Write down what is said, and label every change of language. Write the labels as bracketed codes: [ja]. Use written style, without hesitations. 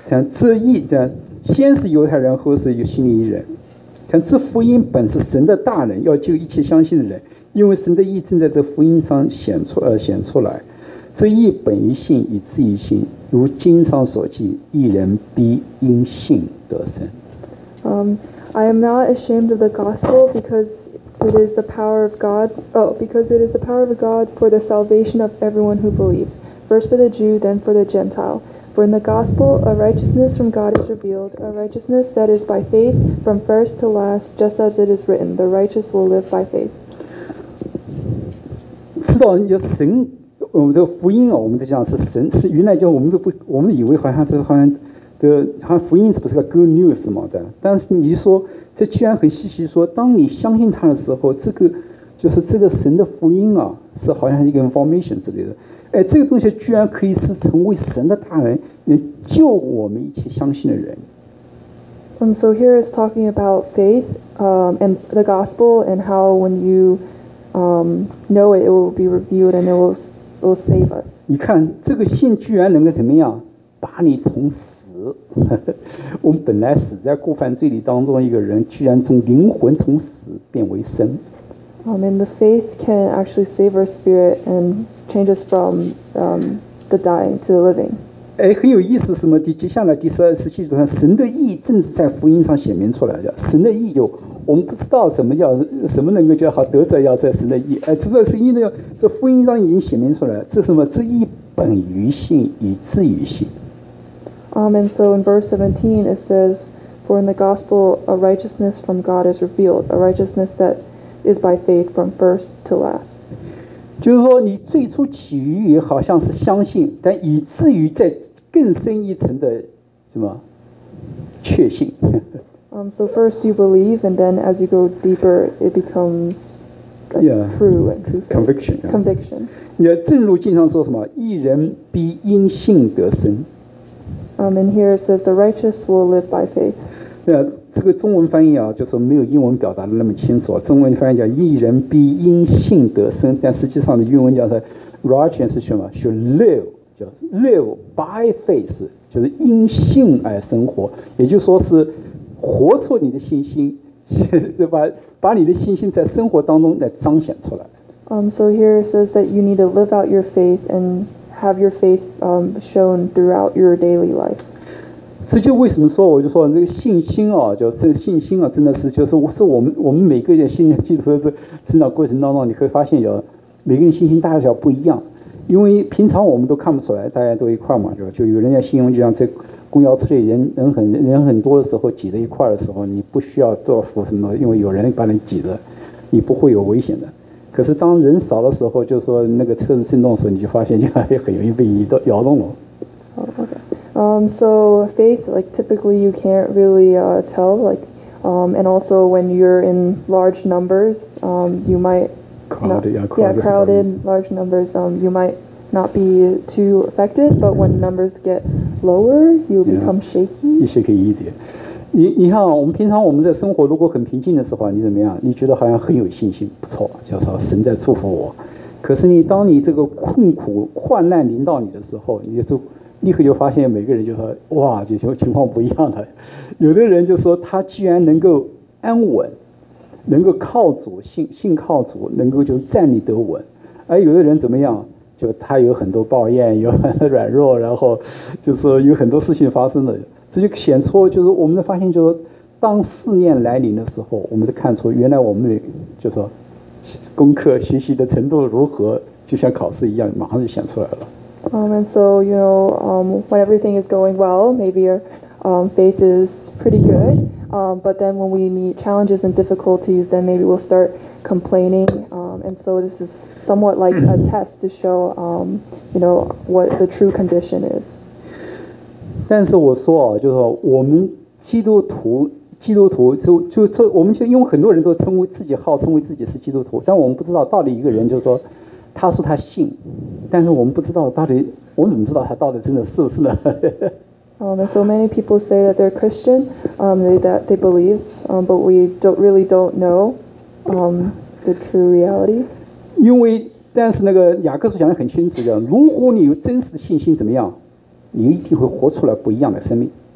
[zh] 这义先是犹太人，后是犹太人。看这福音本是神的大能，要救一切相信的人，因为神的义正在这福音上显出来。这义本于信，以至于信，如经上所记，义人必因信得生。 [en] I am not ashamed of the gospel because it is the power of God. Because it is the power of God for the salvation of everyone who believes. First for the Jew, then for the Gentile. For in the gospel, a righteousness from God is revealed, a righteousness that is by faith, from first to last, just as it is written, the righteous will live by faith. [zh] 知道就神，我们这个福音啊，我们在讲是神，是原来就我们以为好像这个好像福音是不是个 [en] good news [zh] 嘛的？但是你说这居然很稀奇说，当你相信他的时候，这个就是这个神的福音啊，是好像一个 [en] information [zh] 之类的。哎，这个东西居然可以是成为神的大能，能救我们一切相信的人。 [en] So here is talking about faith, and the gospel, and how when you, know it, it will be revealed and it will save us. [zh] 你看，这个信居然能够怎么样，把你从死，我们本来死在过犯罪里当中一个人，居然从灵魂从死变为生。 [en] And the faith can actually save our spirit and change us from the dying to the living. [zh] 哎，很有意思，什么？接下来第十二、十七节上，神的义正是在福音上显明出来的。神的义就，我们不知道什么叫什么能够叫好得着要在神的义。哎，这是因为这福音上已经显明出来了。这什么？这义本于信，以至于信。 [en] And so in verse 17 it says, "For in the gospel a righteousness from God is revealed, a righteousness that." Is by faith from first to last. [zh] 就是说，你最初起于好像是相信，但以至于在更深一层的什么确信。 [en] So first you believe, and then as you go deeper, it becomes true and true conviction. Conviction. [zh] 也正如经常说什么，义人必因信得生。 [en] And here it says the righteous will live by faith. [zh] 这个中文翻译啊，就是没有英文表达的那么清楚。中文翻译叫义人必因信得生，但实际上的原文叫做 [en] righteous [zh] 是什么？是 [en] live， [zh] 叫 [en] live by faith， [zh] 就是因信而生活。也就是说是活出你的信心，把你的信心在生活当中来彰显出来。 [en] So here it says that you need to live out your faith and have your faith shown throughout your daily life. [zh] 这就为什么说，我就说这个信心啊，就是信心啊，真的是就是我们每个人信仰基督的这成长过程当中，你会发现有每个人信心大小不一样，因为平常我们都看不出来，大家都一块嘛，就有人家信用就像在公交车里人很多的时候挤在一块的时候，你不需要做服什么，因为有人把你挤着，你不会有危险的。可是当人少的时候，就是说那个车子震动的时候，你就发现就很容易被摇动了。 [en] So faith, like typically you can't really tell, like, and also when you're in large numbers, you might crowded large numbers, you might not be too affected, but when numbers get lower, you become shaky. [zh] 一点。你看啊，我们平常我们在生活如果很平静的时候，你怎么样？你觉得好像很有信心，不错，就是说神在祝福我。可是你当你这个困苦患难临到你的时候，你就立刻就发现每个人就说哇，就情况不一样了。有的人就说他居然能够安稳，能够靠主，信靠主，能够就站立得稳。而有的人怎么样，就他有很多抱怨，有很多软弱，然后就是有很多事情发生了。这就显出就是我们的发现，就是当试炼来临的时候，我们就看出原来我们就说功课学习的程度如何，就像考试一样，马上就显出来了。 [en] And so, you know, when everything is going well, maybe our faith is pretty good. But then when we meet challenges and difficulties, then maybe we'll start complaining. And so this is somewhat like a test to show, you know, what the true condition is. [zh] 但是我说啊，就是说我们基督徒基督徒，我们就用很多人都称呼自己，号称为自己是基督徒，但我们不知道到底一个人，就是说他说他信，但是我们不知道到底，我们怎么知道他到底真的是不是呢？ [en] And so many people say that they're Christian, that they believe, but we don't really don't know, the true reality. [zh] 因为但是那个雅各书讲得很清楚的，如果你有真实的信心，怎么样，你一定会活出来不一样的生命。